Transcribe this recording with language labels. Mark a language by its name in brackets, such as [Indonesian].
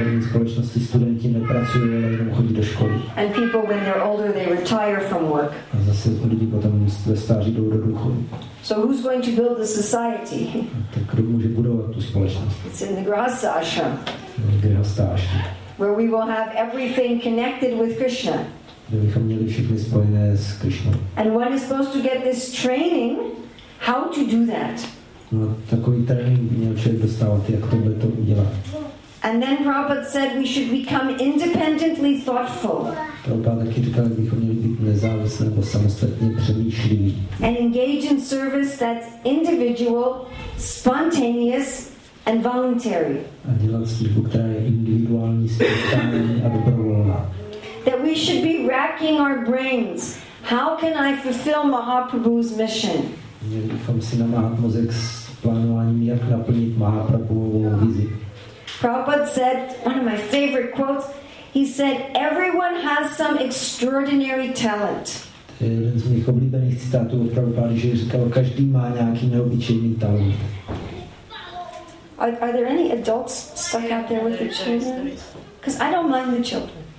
[Czech] Společnosti studenti nepracují, ale jenom chodí do školy. [English] And people, when they're older, they retire from work. [Czech] A zase lidi potom ve stáří jdou do důchodu. [English] So who's going to build the society? [Czech] Tak kdo může budovat tu společnost? [English] It's in the grihastha ashram. [Czech] Grihastha ashram. [English] Where we will have everything connected with Krishna. [Czech] Kde bychom měli všechny spojené s Krishnou. [English] And one is supposed to get this training, how to do that? [Czech] No, takový trénink by měl člověk dostávat, jak tohle to udělat. [English] And then Prabhupada said we should become independently thoughtful. [Czech] Prabhupada říkal, že bychom měli být nezávislí nebo samostatně přemýšliví. [English] And engage in service that's individual, spontaneous and voluntary. [Czech] A dělat službu, která je individuální, spontánní a dobrovolná. [English] That we should be racking our brains. How can I fulfill Mahaprabhu's mission? [Czech] Měli bychom si namáhat mozek s plánováním, jak naplnit Mahaprabhuovou vizi. [English] Prabhupada said, one of my favorite quotes, he said, everyone has some extraordinary talent. [Czech] Jeden z mých oblíbených citátů od Prabhupády, že říkal, každý má nějaký neobyčejný talent. [English] Are there any adults stuck out there with the children? Because I don't mind the children.